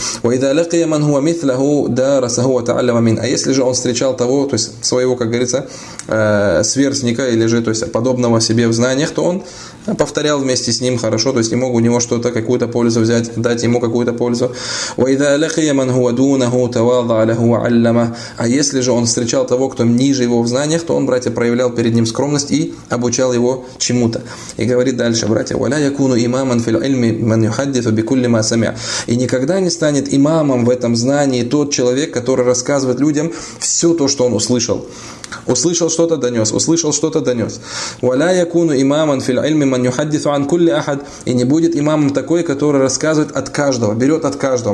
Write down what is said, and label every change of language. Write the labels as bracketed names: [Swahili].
[Arabic] «Ва иза лакия ман хуа митлаху дарасаху ва тааллама мин». [Russian] А если же он встречал того, то есть своего, как говорится, сверстника, или же, то есть подобного себе в знаниях, то он повторял вместе с ним, хорошо, то есть не мог у него что-то, какую-то пользу взять, дать ему какую-то пользу. [Arabic] وَإِذَا لَقِيَ مَنْ هُوَ دُونَهُ تَوَاضَعَ لَهُ وَعَلَّمَهُ. [Russian] А если же он встречал того, кто ниже его в знаниях, то он, братья, проявлял перед ним скромность и обучал его чему-то. И говорит дальше, братья: [Arabic] وَلَا يَكُونُ إِمَامًا فِي الْعِلْمِ مَنْ يُحَدِّثُ بِكُلِّ مَا سَمِعَ. [Russian] И никогда не станет имамом в этом знании тот человек, который рассказывает людям все то, что он услышал. Услышал что-то, донес. Услышал что-то, донес. [Arabic] وَلَا يَكُونُ إِمَامًا فِي الْعِلْمِ مَنْ يُحَدِّثُ عَنْ كُلِّ أَحَدٍ. [Russian] И не будет имамом такой, который рассказывает от каждого, берет от каждого.